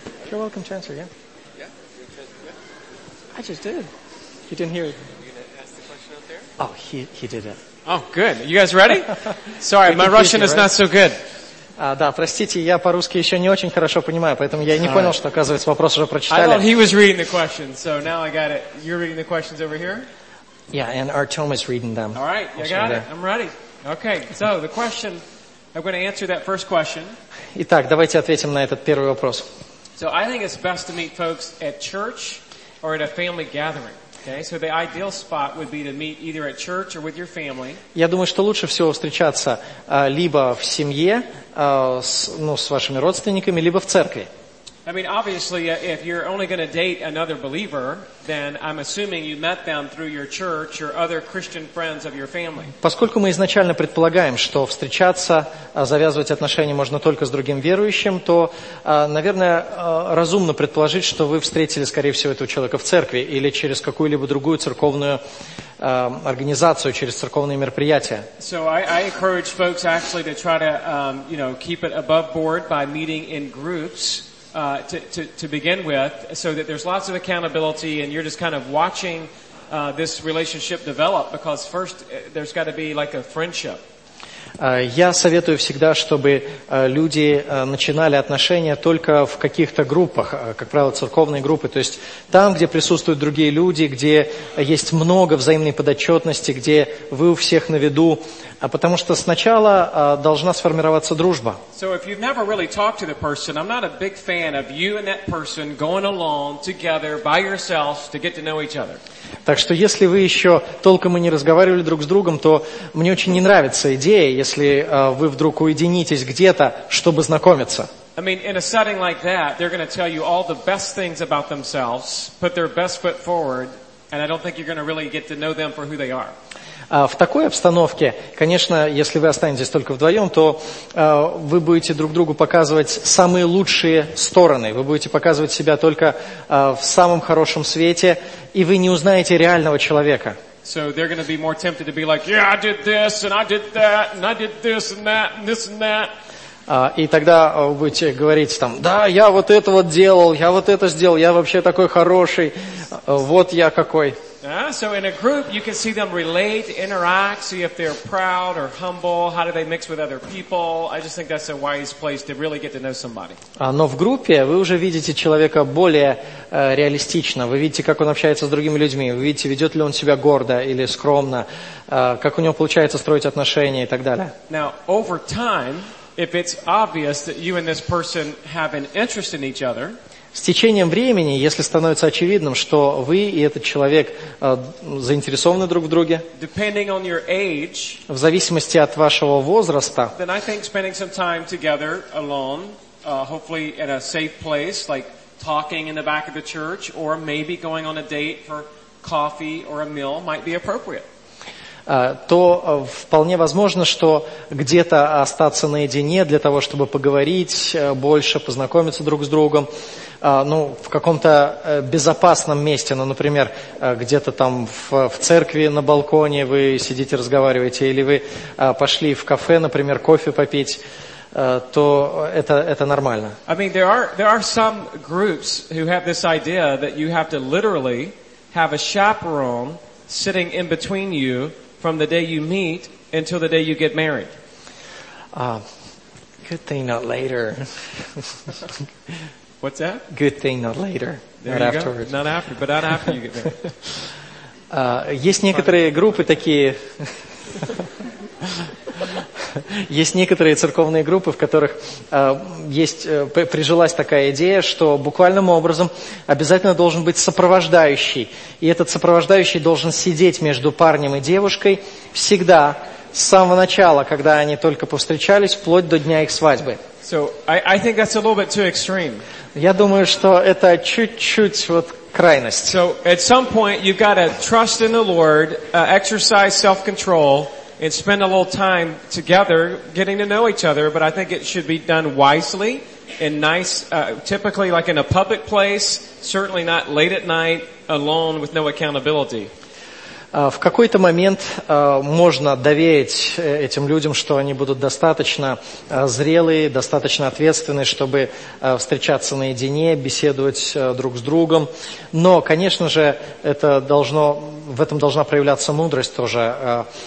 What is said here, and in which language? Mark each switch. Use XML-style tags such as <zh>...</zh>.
<en>You're welcome to answer, yeah? Yeah? I just did. You didn't hear it. Are you going to ask the question out there? Oh, he did it. Oh, good. You guys ready? Sorry, my Russian is not so good.</en> <ru>Да, простите, я по-русски еще не очень хорошо понимаю, поэтому я и не понял, что, оказывается, вопрос уже прочитали.</ru> <en>I thought he was reading the questions, so now I got it. You're reading the questions over here? Yeah, and Artem is reading them. All right, I got it. I'm ready. Okay, so the question, I'm going to answer that first question.</en> <ru>Итак, давайте ответим на этот первый вопрос.</ru> <en>So I think it's best to meet folks at church or at a family gathering. Okay, so the ideal spot would be to meet either at church or with your family.</en> <ru>Я думаю, что лучше всего встречаться либо в семье, с вашими родственниками, либо в церкви.</ru> <en>I mean, obviously, if you're only going to date another believer, then I'm assuming you met them through your church or other Christian friends of your family.</en> <ru>Поскольку мы изначально предполагаем, что встречаться, завязывать отношения можно только с другим верующим, то, наверное, разумно предположить, что вы встретили, скорее всего, этого человека в церкви или через какую-либо другую церковную организацию, через церковные мероприятия.</ru> <en>So I encourage folks actually to try to, keep it above board by meeting in groups. To begin with, so that there's lots of accountability, and you're just kind of watching this relationship develop. Because first, there's got to be like a friendship.</en> <ru>Я советую всегда, чтобы люди начинали отношения только в каких-то группах, как правило, церковные группы. То есть там, где присутствуют другие люди, где есть много взаимной подотчетности, где вы у всех на виду. Потому что сначала должна сформироваться дружба.</ru> <en>So if you've never really talked to the person, I'm not a big fan of you and that person going alone, together, by yourself, to get to know each other.</en> <ru>Так что если вы еще толком и не разговаривали друг с другом, то мне очень не нравится идея, если вы вдруг уединитесь где-то, чтобы знакомиться.</ru> <en>I mean, in a setting like that, they're going to tell you all the best things about themselves, put their best foot forward, and I don't think you're going to really get to know them for who they are.</en> <ru>В такой обстановке, конечно, если вы останетесь только вдвоем, то вы будете друг другу показывать самые лучшие стороны. Вы будете показывать себя только в самом хорошем свете, и вы не узнаете реального человека.</ru> <en>So they're going to be more tempted to be like, yeah, I did this, and I did that, and I did this, and that, and this, and that.</en> <ru>И тогда вы будете говорить там, да, я вот это вот делал, я вот это сделал, я вообще такой хороший, вот я какой.</ru> <en>So in a group, you can see them relate, interact, see if they're proud or humble, how do they mix with other people. I just think that's a wise place to really get to know somebody.</en> <ru>Но в группе вы уже видите человека более реалистично. Вы видите, как он общается с другими людьми. Вы видите, ведет ли он себя гордо или скромно, как у него получается строить отношения и так далее.</ru> <en>Now, over time, if it's obvious that you and this person have an interest in each other,</en> <ru>с течением времени, если становится очевидным, что вы и этот человек заинтересованы друг в друге,</ru> <en>depending on your age,</en> <ru>в зависимости от вашего возраста,</ru> <en>then I think spending some time together alone, hopefully in a safe place, like talking in the back of the church, or maybe going on a date for coffee or a meal might be appropriate.</en> <ru>То вполне возможно, что где-то остаться наедине для того, чтобы поговорить больше, познакомиться друг с другом, в каком-то безопасном месте, например, где-то там в церкви на балконе вы сидите, разговариваете, или вы пошли в кафе, например, кофе попить, то это нормально.</ru> <en>I mean, there are some groups who have this idea that you have to literally have a chaperone sitting in between you from the day you meet until the day you get married. Good thing not later. What's that? Good thing not later. There not afterwards. Go. Not after, but not after you get married.</en> <ru>Есть некоторые группы такие... Есть некоторые церковные группы, в которых прижилась такая идея, что буквальным образом обязательно должен быть сопровождающий. И этот сопровождающий должен сидеть между парнем и девушкой всегда, с самого начала, когда они только повстречались, вплоть до дня их свадьбы.</ru> <en>So, I think that's a little bit too extreme.</en> <ru>Я думаю, что это чуть-чуть вот крайность.</ru> <en>So, at some point, you've got to trust in the Lord, exercise self-control, and spend a little time together getting to know each other, but I think it should be done wisely and nice, typically like in a public place, certainly not late at night, alone with no accountability.</en> <ru>В какой-то момент можно доверить этим людям, что они будут достаточно зрелые, достаточно ответственные, чтобы встречаться наедине, беседовать друг с другом. Но, конечно же, это должно, в этом должна проявляться мудрость тоже.</ru>